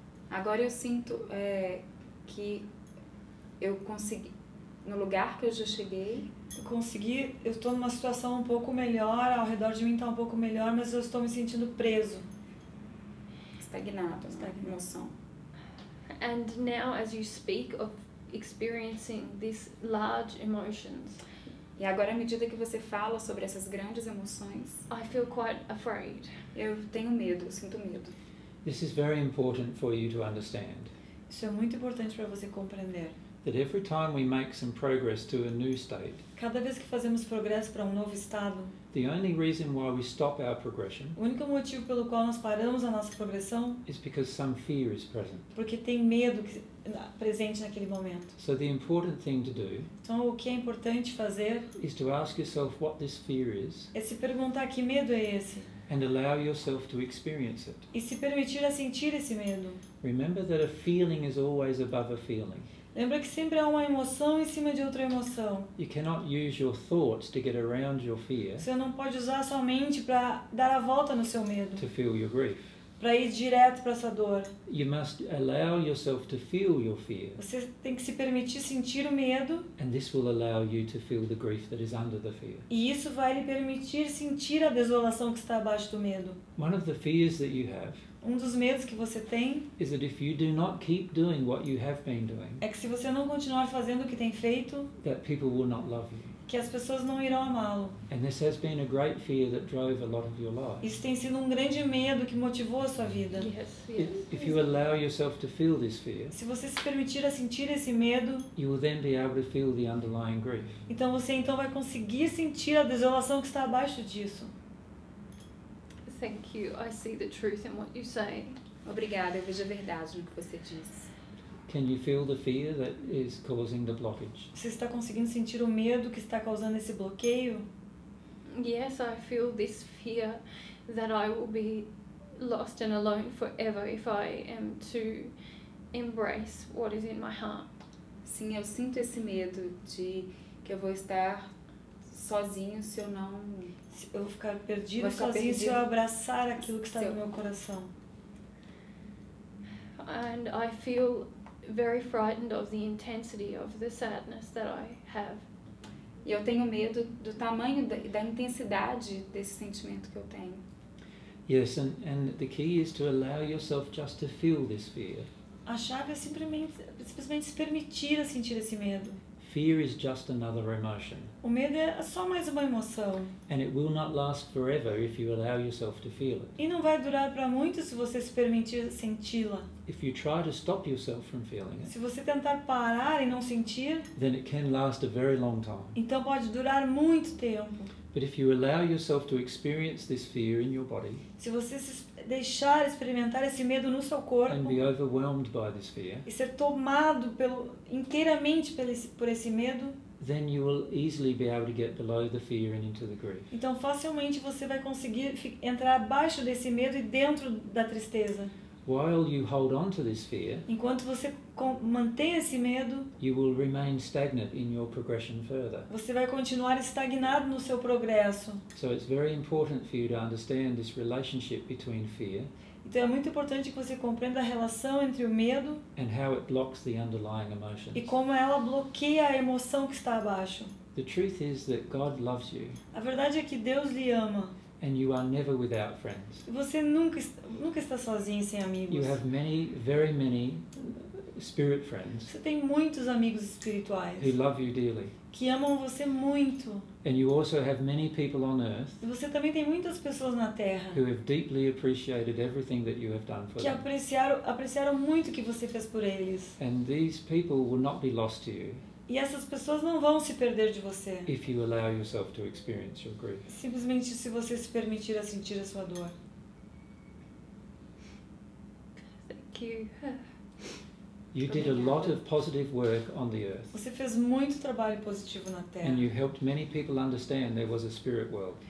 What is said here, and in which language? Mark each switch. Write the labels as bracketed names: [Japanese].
[Portuguese] Agora eu sinto que eu consegui, no lugar que eu já cheguei, eu estou numa situação um pouco melhor, ao redor de mim está um pouco melhor, mas eu estou me sentindo preso. Estagnado. Emoção. [English] And now as you speak of experiencing these large emotions, [Portuguese] E agora, à medida que você fala sobre essas grandes emoções, [English] I feel quite afraid. [Portuguese] Eu tenho medo, eu sinto medo. [English] This is very important for you to understand. [Portuguese] Isso é muito importante para você compreender. [English] That every time we make some progress to a new state, [Portuguese] cada vez que fazemos progresso para um novo estado, [English] the only reason why we stop our progression, [Portuguese] o único motivo pelo qual nós paramos a nossa progressão, [English] is because some fear is present. [Portuguese] Porque tem medo presente naquele momento. [English] So the important thing to do, [Portuguese] então o que é importante fazer, [English] is to ask yourself what this fear is, [Portuguese] é se perguntar que medo é esse, [English] and allow yourself to experience it. [Portuguese] E se permitir a sentir esse medo. [English] Remember that a feeling is always above a feeling. [Portuguese] Lembra que sempre há uma emoção em cima de outra emoção. [English] You cannot use your thoughts to get around your fear. [Portuguese] Você não pode usar sua mente para dar a volta no seu medo. [English] To feel your grief. [Portuguese] Para ir direto para essa dor. [English] You must allow yourself to feel your fear. [Portuguese] Você tem que se permitir sentir o medo. [English] And this will allow you to feel the grief that is under the fear. [Portuguese] E isso vai lhe permitir sentir a desolação que está abaixo do medo. [English] One of the fears that you have. [Portuguese] Um dos medos que você tem [English] is that if you do not keep doing what you have been doing, [Portuguese] é que se você não continuar fazendo o que tem feito, [English] that people will not love you. [Portuguese] Que as pessoas não irão amá-lo. [English] And this has been a great fear that drove a lot of your life. [Portuguese] Isso tem sido um grande medo que motivou a sua vida. [English] Yes. If you allow yourself to feel this fear, [Portuguese] se você se permitir a sentir esse medo, [English] you will then be able to feel the underlying grief. [Portuguese] Então você então vai conseguir sentir a desolação que está abaixo disso. [English] Thank you. I see the truth in what you say. [Portuguese] Obrigada, eu vejo a verdade no que você diz. [English] Can you feel the fear that is causing the blockage? [Portuguese] Você está conseguindo sentir o medo que está causando esse bloqueio? [English] Yes, I feel this fear that I will be lost and alone forever if I am to embrace what is in my heart. [Portuguese] Sim, eu sinto esse medo de que eu vou estar sozinho se eu não eu vou ficar perdido vou ficar sozinho perdido. Se eu abraçar aquilo que está no meu coração. [English] And I feel very frightened of the intensity of the sadness that I have. [Portuguese] E eu tenho medo do tamanho da intensidade desse sentimento que eu tenho. [English] Yes, and the key is to allow yourself just to feel this fear. [Portuguese] A chave é simplesmente se permitir a sentir esse medo. [English] Fear is just another emotion. [Portuguese] O medo é só mais uma emoção. [English] And it will not last forever if you allow yourself to feel it. [Portuguese] E não vai durar para muito se você se permitir senti-la. [English] If you try to stop yourself from feeling it. [Portuguese] Se você tentar parar e não sentir, [English] then it can last a very long time. [Portuguese] Então pode durar muito tempo. [English] But if you allow yourself to experience this fear in your body. [Portuguese] Se você se deixar experimentar esse medo no seu corpo. [English] And be overwhelmed by this fear. [Portuguese] E ser tomado inteiramente por esse medo. [English] Then you will easily be able to get below the fear and into the grief. [Portuguese] Então facilmente você vai conseguir entrar abaixo desse medo e dentro da tristeza. [English] While you hold on to this fear. [Portuguese] Enquanto você mantém esse medo. [English] You will remain stagnant in your progression further. [Portuguese] Você vai continuar estagnado no seu progresso. [English] So it's very important for you to understand this relationship between fear. [Portuguese] Então é muito importante que você compreenda a relação entre o medo [English] and how it blocks the underlying emotions. [Portuguese] E como ela bloqueia a emoção que está abaixo. [English] The truth is that God loves you. [Portuguese] A verdade é que Deus lhe ama. [English] And you are never without friends. [Portuguese] Você nunca está sozinho sem amigos. [English] You have many, very many spirit friends. [Portuguese] Você tem muitos amigos espirituais. [English] Who love you dearly. [Portuguese] Que amam você muito. [English] And you also have many people on earth. [Portuguese] E você também tem muitas pessoas na Terra. [English] Who have deeply appreciated everything that you have done for [Portuguese] Que apreciaram muito o que você fez por eles. [English] And these people will not be lost to you. [Portuguese] E essas pessoas não vão se perder de você. [English] If you allow yourself to experience your grief. [Portuguese] Simplesmente se você se permitir a sentir a sua dor. [English] Thank you. You did a lot of positive work on the earth. [Portuguese] Você fez muito trabalho positivo na Terra. [English] And you helped many people understand there was a spirit world.